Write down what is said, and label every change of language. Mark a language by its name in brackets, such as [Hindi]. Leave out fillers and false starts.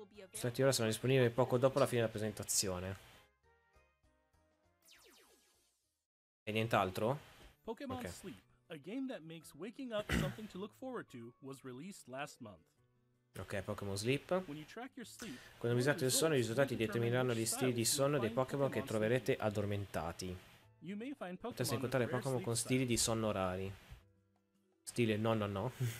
[Italian] Infatti ora saranno disponibili poco dopo la fine della presentazione. E nient'altro? [English] Pokémon okay. Sleep, a game that makes waking up something to look forward to, was released last month. [Italian] Ok, Pokémon Sleep. Quando misurate il sonno, i risultati determineranno gli stili di sonno dei Pokémon che troverete addormentati. Potreste incontrare Pokémon con stili di sonno rari. Stile no.